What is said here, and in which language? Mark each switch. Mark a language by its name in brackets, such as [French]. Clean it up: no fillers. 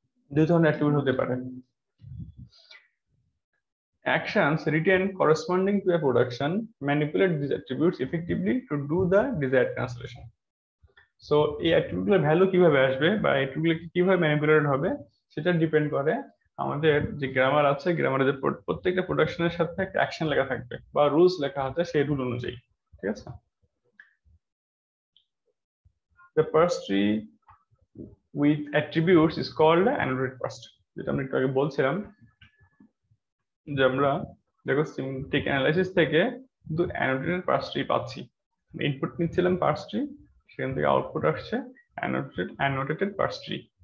[Bangla] দুই ধরনের অ্যাট্রিবিউট হতে পারে, [English] Actions written corresponding to a production manipulate this attributes effectively to do the desired translation. [Bangla] So এই attribute গুলোর ভ্যালু কিভাবে আসবে, বা অ্যাট্রিবিউট গুলো কিভাবে ম্যানিপুলেটেড হবে, সেটা ডিপেন্ড করে আমাদের যে গ্রামার আছে, গ্রামারের যে প্রত্যেকটা প্রোডাকশনের সাথে একটা অ্যাকশন লেখা থাকবে বা রুলস লেখা হতে, সেই রুল অনুযায়ী, ঠিক আছে? [English] The parse tree with attributes is called an annotated parse tree. [Bangla] যেটা আমি একটু আগে বলছিলাম যে আমরা দেখো সিমেন্টিক অ্যানালাইসিস থেকে কিন্তু অ্যানোটেটেড পার্স ট্রি পাচ্ছি। ইনপুট নিচ্ছিলাম পার্স ট্রি, সেখান থেকে আউটপুট আসছে অ্যানোটেটেড অ্যানোটেটেড পার্স ট্রি।